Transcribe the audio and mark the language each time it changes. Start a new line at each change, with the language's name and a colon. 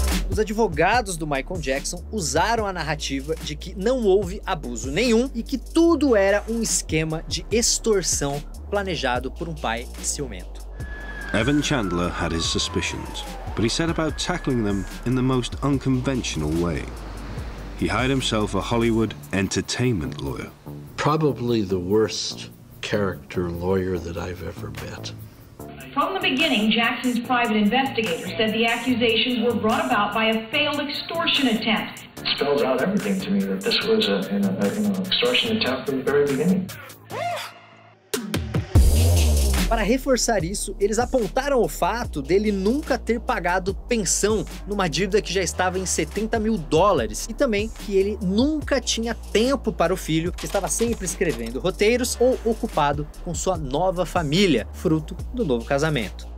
Portuguese: Os advogados do Michael Jackson usaram a narrativa de que não houve abuso nenhum e que tudo era um esquema de extorsão planejado por um pai ciumento.
English: Evan Chandler had his suspicions, but he set about tackling them in the most unconventional way. He hired himself a Hollywood entertainment lawyer. Probably the worst character lawyer that I've ever met. From the beginning, Jackson's private investigator said the accusations were brought about by a failed extortion attempt. Spells out everything to me that this was an extortion attempt from the very beginning.
Portuguese: Para reforçar isso, eles apontaram o fato dele nunca ter pagado pensão numa dívida que já estava em $70 mil e também que ele nunca tinha tempo para o filho, que estava sempre escrevendo roteiros ou ocupado com sua nova família, fruto do novo casamento.